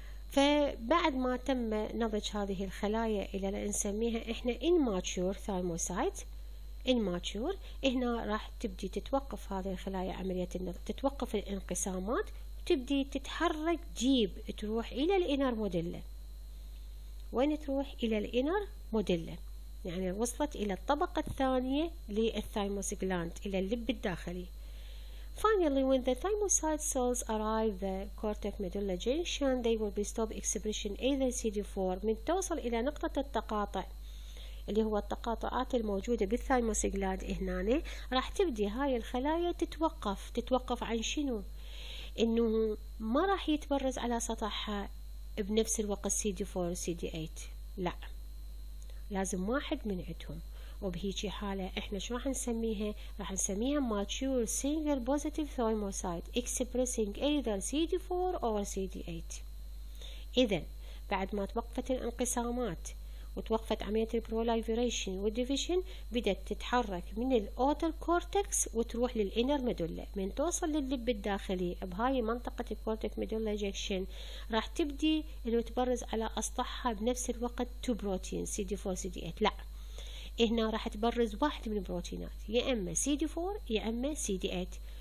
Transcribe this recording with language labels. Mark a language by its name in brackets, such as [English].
[Arabic] فبعد ما تم نضج هذه الخلايا الى اللي نسميها احنا انماتشور ثايموسايت انماتشور، هنا راح تبدي تتوقف هذه الخلايا عمليه النضج، تتوقف الانقسامات وتبدي تتحرك جيب تروح الى الانر موديلا. وين تروح؟ الى الانر موديلا، يعني وصلت الى الطبقه الثانيه للثايموس جلاند الى اللب الداخلي. [English] Finally, when the thymocyte cells arrive the cortex medulla junction, they will be stop expression either CD4. [Arabic] من توصل إلى نقطة التقاطع اللي هو التقاطعات الموجودة بالثايموس جلاند هنا، راح تبدي هاي الخلايا تتوقف. تتوقف عن شنو؟ إنه ما راح يتبرز على سطحها بنفس الوقت CD4 CD8. لا، لازم واحد من عندهم. وبهيجي حالة احنا شو راح نسميها؟ [English] راح نسميها mature single positive thymocyte expressing either CD4 or CD8. [Arabic] اذا بعد ما توقفت الانقسامات وتوقفت عملية البروليفيريشن والديفيشن، بدأت تتحرك من الاوتر كورتكس وتروح للانر ميدولا. من توصل للب الداخلي بهاي منطقة الكورتك ميدولا جيكشن، راح تبدي انه تبرز على اسطحها بنفس الوقت 2 بروتين CD4 CD8. لا، هنا راح تبرز واحد من البروتينات، يا اما CD4 يا اما CD8.